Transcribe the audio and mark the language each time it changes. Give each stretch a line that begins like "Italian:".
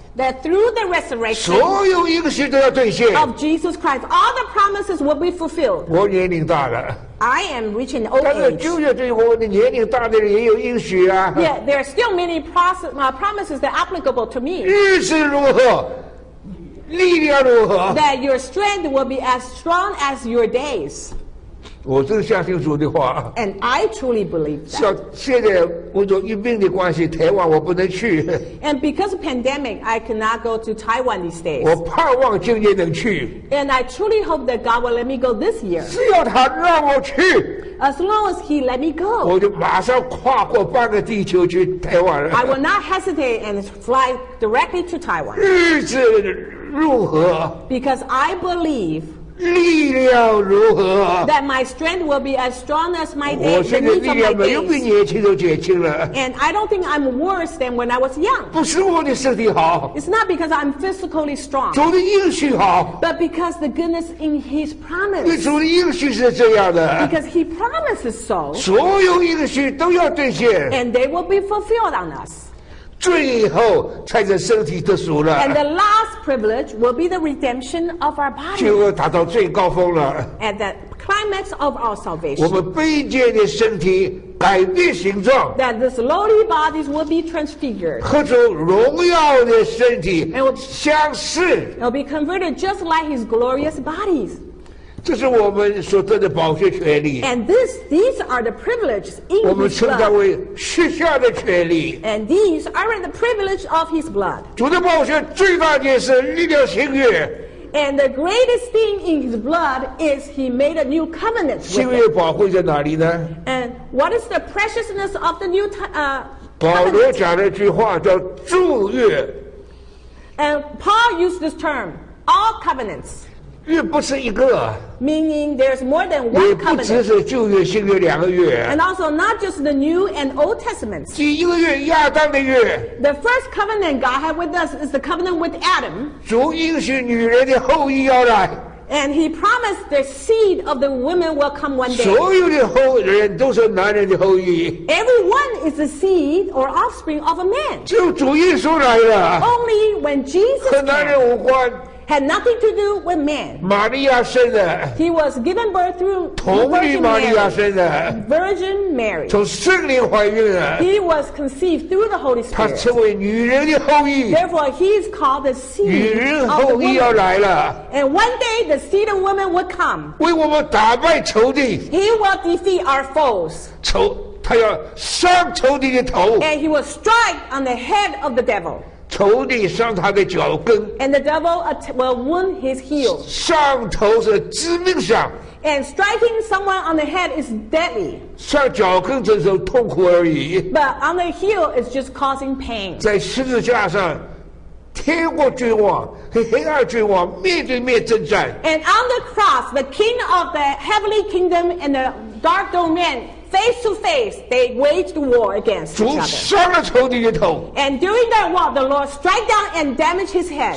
English: That through the resurrection of Jesus Christ, all the promises will be fulfilled.
Chinese: 我年龄大了。
English: I am reaching old age.
Chinese: 但是旧约这些话，你年龄大的人也有应许啊。
English: Yeah, there are still many promises that are applicable to me.
Chinese: 日子如何，力量如何。
English: That your strength will be as strong as your days.
Chinese: 我真相信主的话。
English: And I truly believe that.
Chinese: 像现在我有疫病的关系，台湾我不能去。
English: And because of pandemic, I cannot go to Taiwan these days.
Chinese: 我盼望今年能去。
English: And I truly hope that God will let me go this year.
Chinese: 只要他让我去。
English: As long as He let me go.
Chinese: 我就马上跨过半个地球去台湾。
English: I will not hesitate and fly directly to Taiwan.
Chinese: 日子如何？
English: Because I believe.
Chinese: 力量如何？
English: That my strength will be as strong as my days.
Chinese: 我现在力量没有比年轻都减轻了。
English: And I don't think I'm worse than when I was young.
Chinese: 不是我的身体好。
English: It's not because I'm physically strong.
Chinese: 主的应许好。
English: But because the goodness in His promise.
Chinese: 因为主的应许是这样的。
English: Because He promises so.
Chinese: 所有应许都要兑现。
English: And they will be fulfilled on us.
Chinese: 最后才是身体得赎了。
English: And the last privilege will be the redemption of our body.
Chinese: 救恩达到最高峰了。
English: At the climax of our salvation.
Chinese: 我们卑贱的身体改变形状。
English: That this lowly bodies will be transfigured.
Chinese: 和主荣耀的身体相似。
English: It will be converted just like His glorious bodies.
Chinese: 这是我们所得的宝血权利。
English: And these are the privileges in His blood.
Chinese: 我们称它为血下的权利。
English: And these are the privilege of His blood.
Chinese: 主的宝血最大的是立了新约。
English: And the greatest thing in His blood is He made a new covenant with Him.
Chinese: 新约宝贵在哪里呢？
English: And what is the preciousness of the new covenant?
Chinese: 保罗讲了一句话叫祝约。
English: And Paul used this term, all covenants.
Chinese: 约不是一个
English: ，meaning there's more than one covenant。
Chinese: 也不只是旧约、新约两个约。
English: And also not just the New and Old Testaments。
Chinese: 第一个约，亚当的约。
English: The first covenant God had with us is the covenant with Adam。
Chinese: 主应许女人的后裔要来。
English: And He promised the seed of the woman will come one day。
Chinese: 所有的后人都是男人的后裔。
English: Everyone is the seed or offspring of a man。
Chinese: 就主耶稣来了。
English: Only when Jesus
Chinese: 和男人无关。
English: Had nothing to do with man.
Chinese: 玛利亚生的。
English: He was given birth through
Chinese: 童女玛利亚生的。
English: Virgin Mary.
Chinese: 从圣灵怀孕的。
English: He was conceived through the Holy Spirit.
Chinese: 他成为女人的后裔。
English: Therefore, he is called the seed of woman.
Chinese: 女人后裔要来了。
English: And one day, the seed of woman would come.
Chinese: 为我们打败仇敌。
English: He will defeat our foes.
Chinese: 仇，他要伤仇敌的头。
English: And he will strike on the head of the devil.
Chinese: 仇敌伤他的脚跟
English: ，and the devil will wound his heel.
Chinese: 上头是致命伤
English: ，and striking someone on the head is deadly.
Chinese: 上脚跟只是痛苦而已
English: ，but on the heel is just causing pain.
Chinese: 在十字架上，天国君王和黑暗君王面对面征战
English: ，and on the cross, the king of the heavenly kingdom and the dark domain. Face to face, they waged war against each other.
Chinese: 主伤了仇敌的头。
English: And during that war, the Lord struck down and damaged his head.